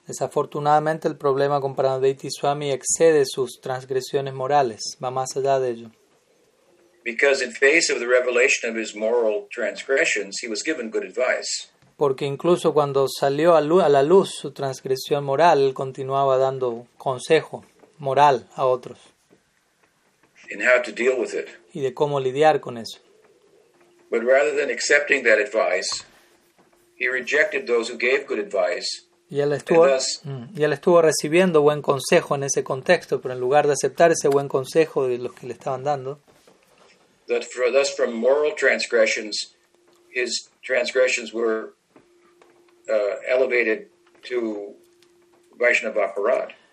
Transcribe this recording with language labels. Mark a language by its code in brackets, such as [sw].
[es] Desafortunadamente, el problema con Parvati Swami excede sus transgresiones morales, va más allá de ello. [en] Because in face of the revelation of his moral transgressions, he was given good advice. [es] Porque incluso cuando salió a la luz su transgresión moral, él continuaba dando consejo moral a otros. [en] And how to deal with it. [es] Y de cómo lidiar con eso. [en] But rather than accepting that advice, he rejected those who gave good advice. [es] Y él estuvo recibiendo buen consejo en ese contexto, pero en lugar de aceptar ese buen consejo de los que le estaban dando. [en] Thus, from moral transgressions, his transgressions were elevated to Vaishnava Parad.